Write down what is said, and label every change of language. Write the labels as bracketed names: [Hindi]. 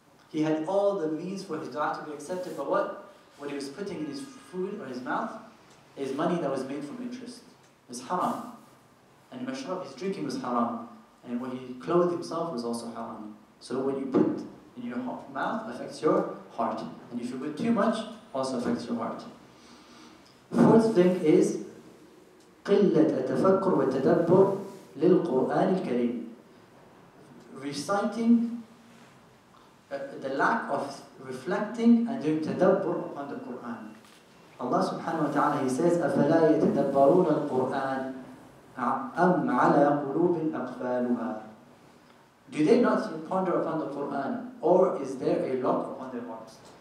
[English] He had all the means for his dua to be accepted, but what? What he was putting in his food or his mouth is money that was made from interest. It's haram. And mashrab, his drinking was haram. And when he clothed himself was also haram. So what you put in your mouth affects your heart. And if you put too much, also affects your heart. Fourth thing is [Arabic] قِلَّةَ التَّفَكُّرُ وَالتَّدَبُّرُ لِلْقُرْآنِ الْكَرِيمِ. [English] Reciting the lack of reflecting and doing tadabbur upon the Qur'an. Allah subhanahu wa ta'ala, he says, [Arabic] أَفَلَا يَتَدَبَّرُونَ الْقُرْآنَ أَمْ عَلَىٰ قُلُوبٍ أَقْفَالُهَا. [English] Do they not ponder upon the Qur'an, or is there a lock upon their hearts?